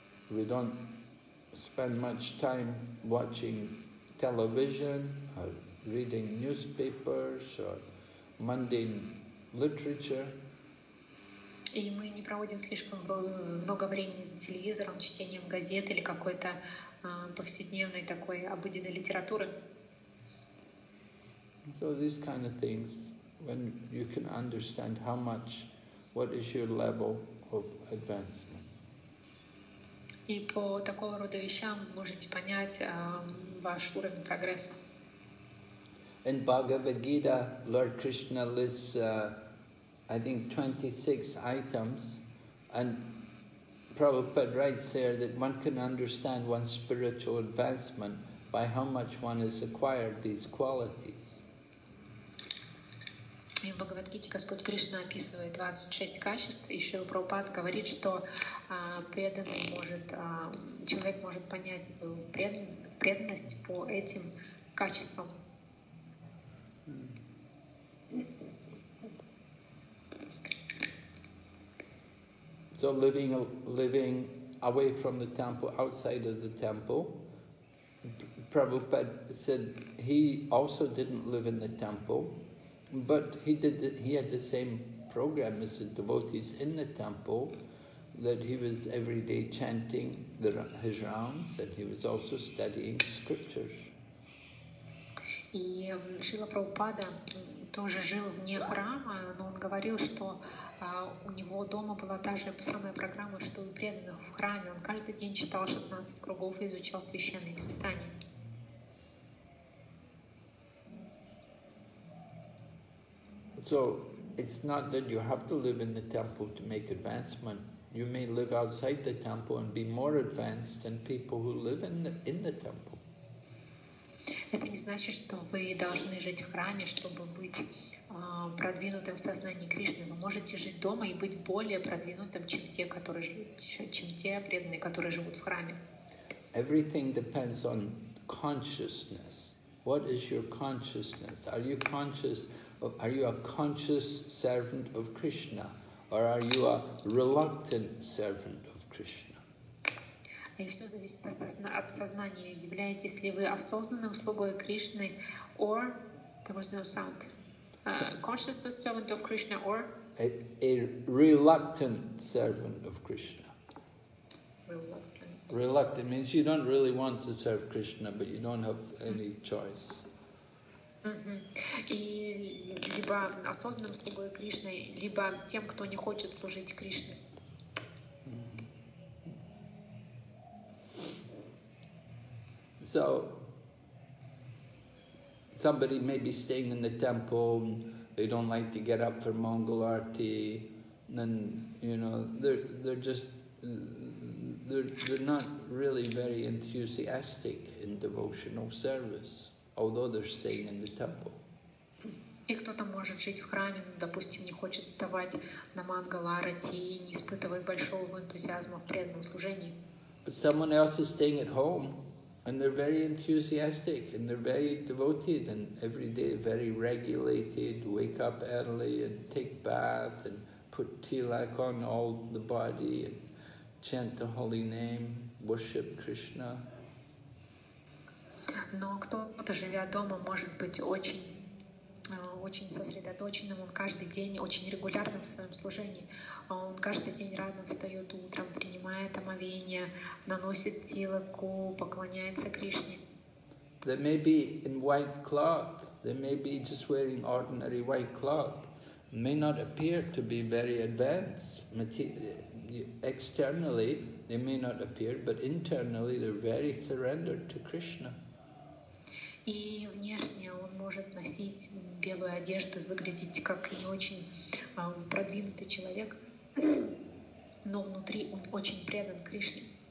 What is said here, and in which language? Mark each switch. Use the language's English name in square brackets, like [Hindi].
[English] We don't spend much time watching television, or reading newspapers, or mundane literature. [Russian] И мы не проводим слишком много времени за телевизором, чтением газет или какой-то повседневной такой обыденной литературы. [English] So these kind of things, when you can understand how much, what is your level of advancement. [Russian] И по такого рода вещам можете понять ваш уровень прогресса. [English] In Bhagavad Gita, Lord Krishna lists, I think, 26 items, and Prabhupada writes there that one can understand one's spiritual advancement by how much one has acquired these qualities. [Russian] И в Бхагавад-гите Господь Кришна описывает 26 качеств, и Шрила Прабхупада говорит, что преданный может, человек может понять свою преданность по этим качествам. [English] So living away from the temple, outside of the temple, Prabhupada said he also didn't live in the temple. But he had the same program as the devotees in the temple, that he was every day chanting his rounds, and he was also studying scriptures. [Russian] И Шрила Прабхупада тоже жил вне храма, но он говорил, что у него дома была та же самая программа, что и преданных в храме. Он каждый день читал 16 кругов и изучал священные писания. [English] So it's not that you have to live in the temple to make advancement. You may live outside the temple and be more advanced than people who live in the temple. [Russian] Это не значит, что вы должны жить в храме, чтобы быть продвинутым в сознании Кришны. Вы можете жить дома и быть более продвинутым, чем те преданные, которые живут в храме. [English] Everything depends on consciousness. What is your consciousness? Are you conscious? Are you a conscious servant of Krishna, or are you a reluctant servant of Krishna? [Russian] И все зависит от сознания. Являетесь ли вы осознанным слугой Кришны, [English] or there was no sound. Conscious servant of Krishna or a reluctant servant of Krishna. Reluctant. Reluctant means you don't really want to serve Krishna, but you don't have any choice. [Russian] И либо осознанным слугой Кришны, либо тем, кто не хочет служить Кришне. [English] So somebody may be staying in the temple, they don't like to get up for Mangal Arati, then you know, they're not really very enthusiastic in devotional service, although they're staying in the temple. [Russian] И кто-то может жить в храме, но, допустим, не хочет вставать на Мангал Арати и не испытывает большого энтузиазма в преданном служении. [English] But someone else is staying at home. And they're very enthusiastic, and they're very devoted, and every day very regulated, wake up early and take bath and put tilak on all the body and chant the holy name, worship Krishna. [Russian] Но кто-то, живя дома, может быть очень сосредоточенным, он каждый день очень регулярным в своем служении. Он каждый день рано встает утром, принимает омовение, наносит тилаку, поклоняется Кришне. [English] They may be in white cloth, they may be just wearing ordinary white cloth, may not appear to be very advanced externally, they may not appear, but internally they're very surrendered to Krishna. [Russian] И внешне он может носить белую одежду, выглядеть как не очень продвинутый человек, но внутри он очень предан Кришне.